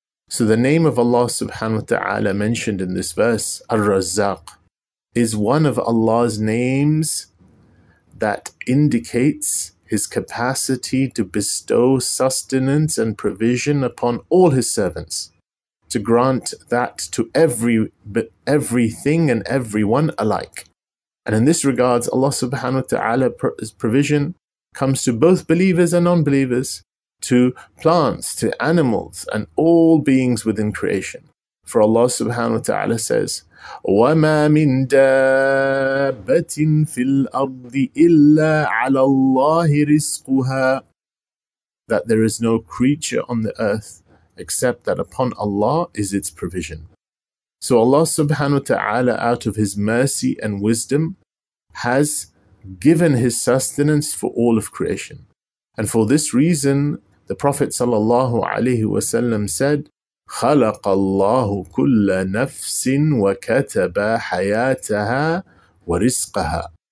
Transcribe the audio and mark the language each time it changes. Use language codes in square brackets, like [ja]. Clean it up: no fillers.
[en] So the name of Allah subhanahu wa ta'ala mentioned in this verse, Ar-Razzaq, is one of Allah's names that indicates his capacity to bestow sustenance and provision upon all his servants, to grant that to everything and everyone alike. And in this regard, Allah subhanahu wa ta'ala's provision comes to both believers and non-believers, to plants, to animals, and all beings within creation. For Allah subhanahu wa ta'ala says, [ar] وَمَا مِن دَابَّةٍ فِي الْأَرْضِ إِلَّا عَلَى اللَّهِ رِزْقُهَا. [en] That there is no creature on the earth except that upon Allah is its provision. So Allah subhanahu wa ta'ala, out of his mercy and wisdom, has given his sustenance for all of creation. And for this reason, the Prophet sallallahu alaihi wasallam said, [ar] خَلَقَ اللَّهُ كُلَّ نَفْسٍ وَكَتَبَ حَيَاتَهَا وَرِزْقَهَا.